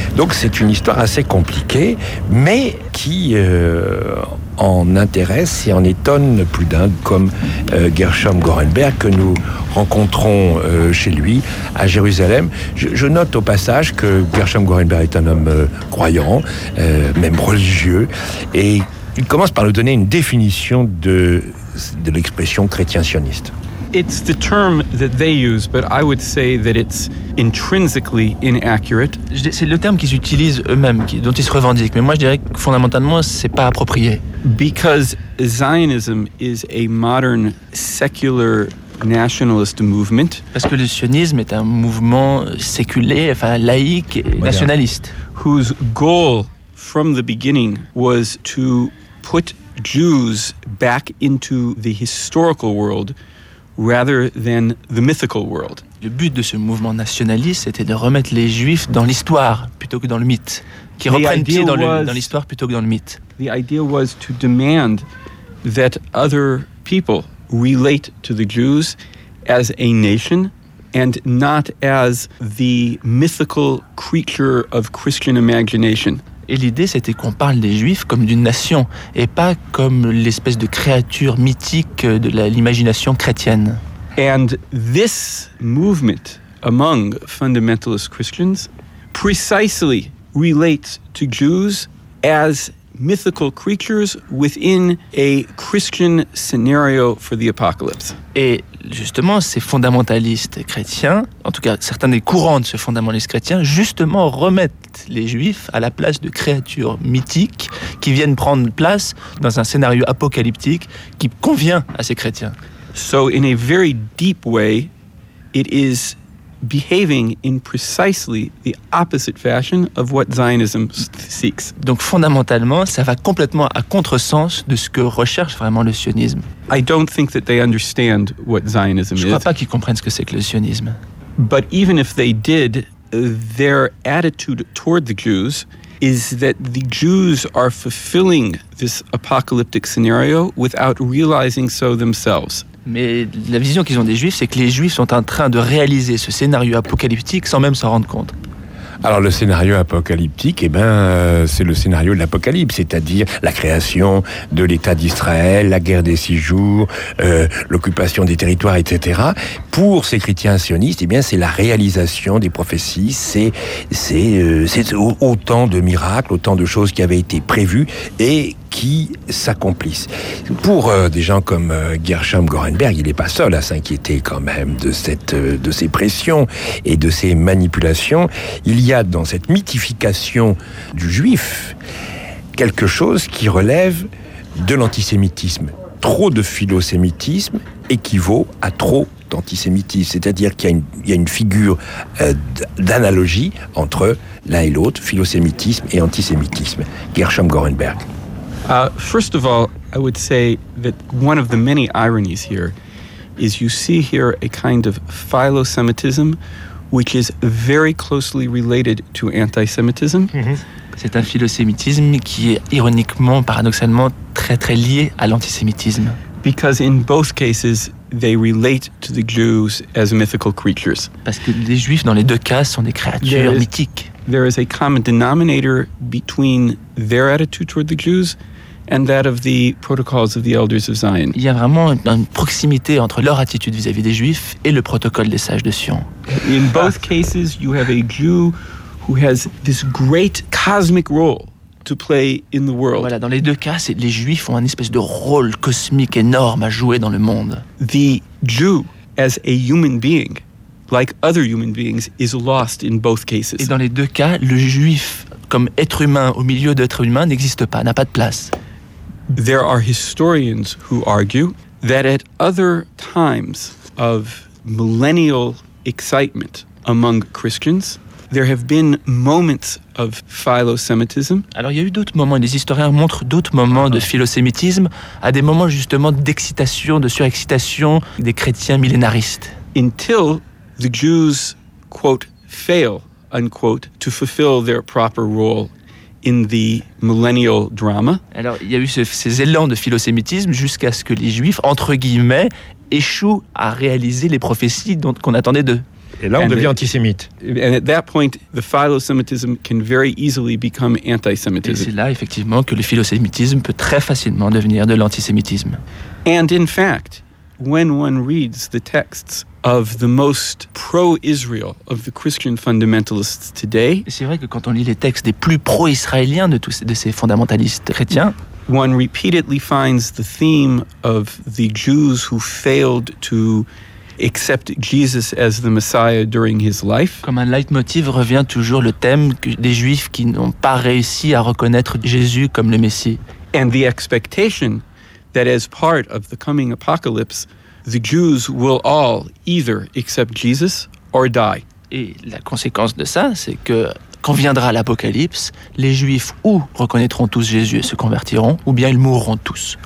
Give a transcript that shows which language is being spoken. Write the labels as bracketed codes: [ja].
[fr] Donc c'est une histoire assez compliquée, mais qui en intéresse et en étonne plus d'un, comme Gershom Gorenberg, que nous rencontrons chez lui à Jérusalem. Je note au passage que Gershom Gorenberg est un homme croyant, même religieux, et il commence par nous donner une définition de l'expression chrétien sioniste. [en] It's the term that they use, but I would say that it's intrinsically inaccurate. [fr] C'est le terme qu'ils utilisent eux-mêmes, dont ils se revendiquent. Mais moi, je dirais que fondamentalement, c'est pas approprié. [en] Because Zionism is a modern secular nationalist movement. [fr] Parce que le sionisme est un mouvement séculier, enfin laïque, et nationaliste. [en] Whose goal from the beginning was to put Jews back into the historical world rather than the mythical world. [fr] Le but de ce mouvement nationaliste était de remettre les Juifs dans l'histoire plutôt que dans le mythe, qui reprennent pied dans l'histoire plutôt que dans le mythe. [en] The idea was to demand that other people relate to the Jews as a nation and not as the mythical creature of Christian imagination. [fr] Et l'idée, c'était qu'on parle des Juifs comme d'une nation, et pas comme l'espèce de créature mythique de l'imagination chrétienne. [en] And this movement among fundamentalist Christians precisely relates to Jews as mythical creatures within a Christian scenario for the apocalypse. [fr] Et justement, ces fondamentalistes chrétiens, en tout cas certains des courants de ce fondamentalisme chrétien, justement remettent les Juifs à la place de créatures mythiques qui viennent prendre place dans un scénario apocalyptique qui convient à ces chrétiens. [en] So in a very deep way, it is behaving in precisely the opposite fashion of what Zionism seeks. [fr] Donc fondamentalement, ça va complètement à contresens de ce que recherche vraiment le sionisme. [en] I don't think that they understand what Zionism is. [fr] Je crois pas qu'ils comprennent ce que c'est que le sionisme. [en] But even if they did, their attitude toward the Jews is that the Jews are fulfilling this apocalyptic scenario without realizing so themselves. [fr] Mais la vision qu'ils ont des Juifs, c'est que les Juifs sont en train de réaliser ce scénario apocalyptique sans même s'en rendre compte. Alors le scénario apocalyptique, eh ben, c'est le scénario de l'Apocalypse, c'est-à-dire la création de l'État d'Israël, la guerre des six jours, l'occupation des territoires, etc. Pour ces chrétiens sionistes, eh bien, c'est la réalisation des prophéties, c'est autant de miracles, autant de choses qui avaient été prévues et qui s'accomplissent. Pour des gens comme Gershom Gorenberg, il n'est pas seul à s'inquiéter quand même de ces pressions et de ces manipulations. Il y a dans cette mythification du juif quelque chose qui relève de l'antisémitisme. Trop de philosémitisme équivaut à trop d'antisémitisme. C'est-à-dire qu'il y a une figure d'analogie entre l'un et l'autre, philosémitisme et antisémitisme. Gershom Gorenberg. [en] First of all, I would say that one of the many ironies here is you see here a kind of philosemitism which is very closely related to antisemitism. [fr] C'est un philosémitisme qui est ironiquement, paradoxalement, très très lié à l'antisémitisme. [en] Because in both cases, they relate to the Jews as mythical creatures. [fr] Parce que les Juifs, dans les deux cas, sont des créatures mythiques. [en] There is a common denominator between their attitude toward the Jews and that of the protocols of the elders of Zion. [fr] Il y a vraiment une proximité entre leur attitude vis-à-vis des Juifs et le protocole des sages de Sion. [en] In both cases, you have a Jew who has this great cosmic role to play in the world. [fr] Voilà, dans les deux cas, les Juifs ont une espèce de rôle cosmique énorme à jouer dans le monde. [en] The Jew as a human being, like other human beings, is lost in both cases. [fr] Et dans les deux cas, le Juif comme être humain au milieu d'êtres humains n'existe pas, n'a pas de place. [en] There are historians who argue that at other times of millennial excitement among Christians, there have been moments of philosemitism. [fr] Alors il y a eu d'autres moments, les historiens montrent d'autres moments de philosémitisme à des moments justement d'excitation, de surexcitation des chrétiens millénaristes. [en] Until the Jews, quote, fail, unquote, to fulfill their proper role in the millennial drama. [fr] Alors, il y a eu ces élans de philosémitisme jusqu'à ce que les Juifs, entre guillemets, échouent à réaliser les prophéties qu'on attendait d'eux. Et là, on devient antisémite. [en] And at that point, the philosémitism can very easily become antisémitisme. [fr] Et c'est là, effectivement, que le philosémitisme peut très facilement devenir de l'antisémitisme. [en] And in fact, when one reads the texts of the most pro-Israel of the Christian fundamentalists today, [fr] c'est vrai que quand on lit les textes des plus pro-israéliens de ces fondamentalistes chrétiens, [en] one repeatedly finds the theme of the Jews who failed to accept Jesus as the Messiah during his life. [fr] Comme un leitmotiv revient toujours le thème des Juifs qui n'ont pas réussi à reconnaître Jésus comme le Messie. [en] And the expectation that as part of the coming apocalypse, the Jews will all either accept Jesus or die. [fr] Et la conséquence de ça, c'est que quand viendra l'Apocalypse, les Juifs ou reconnaîtront tous Jésus et se convertiront, ou bien ils mourront tous.